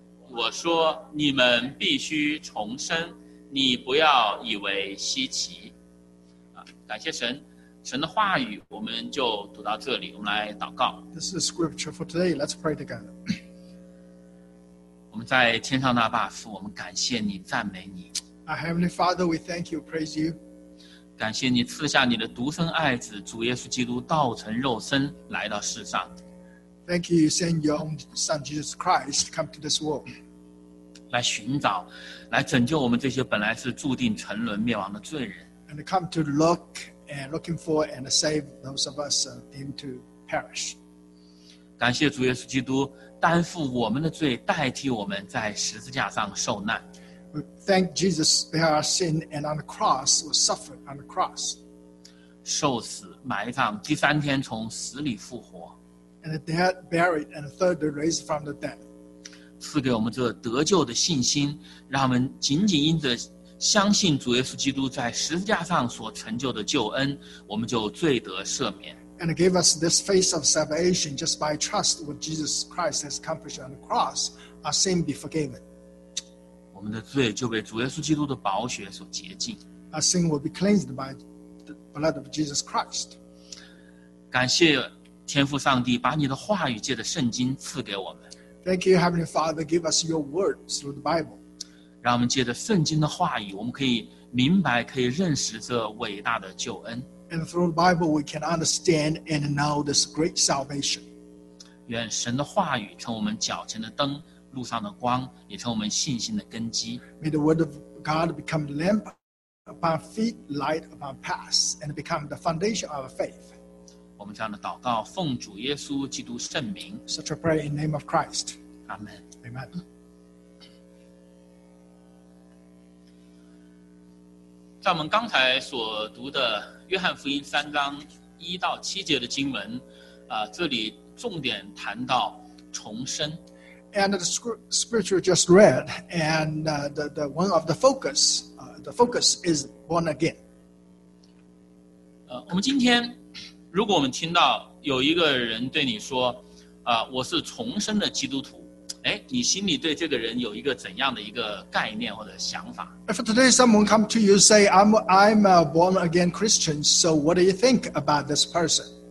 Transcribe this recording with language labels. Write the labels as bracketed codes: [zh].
[zh] 我说你们必须重生，你不要以为稀奇。感谢神，神的话语我们就读到这里，我们来祷告。 [en] This is scripture for today. Let's pray together. [zh] 我们在天上的阿爸父，我们感谢你，赞美你。 [en] Our Heavenly Father, we thank you, praise you. [zh] 感谢你赐下你的独生爱子主耶稣基督道成肉身来到世上。 [en] Thank you, send your own son Jesus Christ come to this world. [zh] 来寻找，来拯救我们这些本来是注定沉沦灭亡的罪人。 [en] And come to look and looking for and save those of us deemed to perish. [zh] 感谢主耶稣基督担负我们的罪，代替我们在十字架上受难。 [en] We thank Jesus for our sin and on the cross was suffered on the cross. [zh] 受死埋葬，第三天从死里复活。 [en] And the dead buried and the third day raised from the dead. [zh] 赐给我们这得救的信心，让我们仅仅因着相信主耶稣基督在十字架上所成就的救恩，我们就罪得赦免。 [en] And gave us this face of salvation just by trust what Jesus Christ has accomplished on the cross, our sin be forgiven. [zh] 我们的罪就被主耶稣基督的宝血所洁净。 [en] Our sin will be cleansed by the blood of Jesus Christ. [zh] 感谢天父上帝把你的话语借着圣经赐给我们。 [en] Thank you, Heavenly Father, give us your word through the Bible. [zh] 让我们借着圣经的话语，我们可以明白，可以认识这伟大的救恩。 [en] And through the Bible, we can understand and know this great salvation. [zh] 愿神的话语成我们脚前的灯。路上的光也成我们信心的根基。 [en] May the word of God become the lamp upon feet, light upon paths, and become the foundation of our faith. [zh] 我们这样的祷告，奉主耶稣基督圣名。 [en] Such a prayer in name of Christ. Amen. Amen. [zh] 在我们刚才所读的约翰福音三章一到七节的经文，这里重点谈到重生。 [en] And the scripture just read, and the one of the focus is born again. [zh] 我们今天，如果我们听到有一个人对你说，我是重生的基督徒，哎，你心里对这个人有一个怎样的一个概念或者想法 [en] ？If today someone come to you say, I'm a born again Christian, so what do you think about this person?